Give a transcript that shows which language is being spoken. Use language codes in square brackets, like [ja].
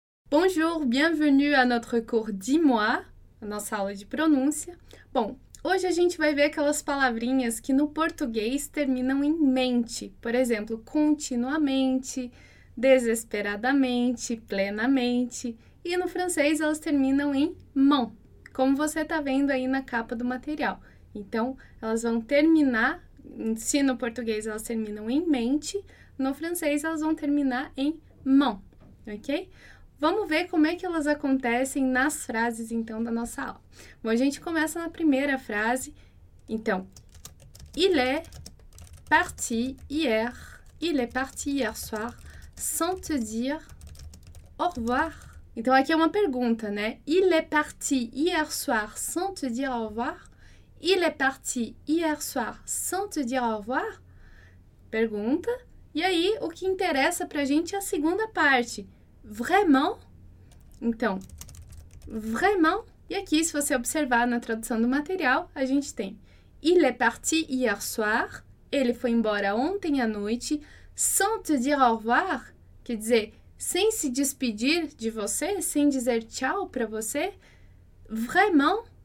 [fr] Bonjour, bienvenue à notre cours Dis-moi, [pt] nossa aula de pronúncia. Bom, hoje a gente vai ver aquelas palavrinhas que no português terminam em mente. Por exemplo, continuamente, desesperadamente, plenamente. E no francês elas terminam em mon, como você está vendo aí na capa do material. Então, elas vão terminar, se no português elas terminam em mente, no francês elas vão terminar em mon, ok? Vamos ver como é que elas acontecem nas frases, então, da nossa aula. Bom, a gente começa na primeira frase. [fr] Então, il est parti hier, il est parti hier soir, sans te dire au revoir. [pt] Então, aqui é uma pergunta, né? [fr] Il est parti hier soir, sans te dire au revoir. Il est parti hier soir, sans te dire au revoir. [pt] Pergunta. E aí, o que interessa pra gente é a segunda parte. [fr] Vraiment? [pt] Então, vraiment? E aqui, se você observar na tradução do material, a gente tem [fr] il est parti hier soir, [pt] ele foi embora ontem à noite, [fr] sans te dire au revoir, [pt] quer dizer, sem se despedir de você, sem dizer tchau para você. [fr] Vraiment?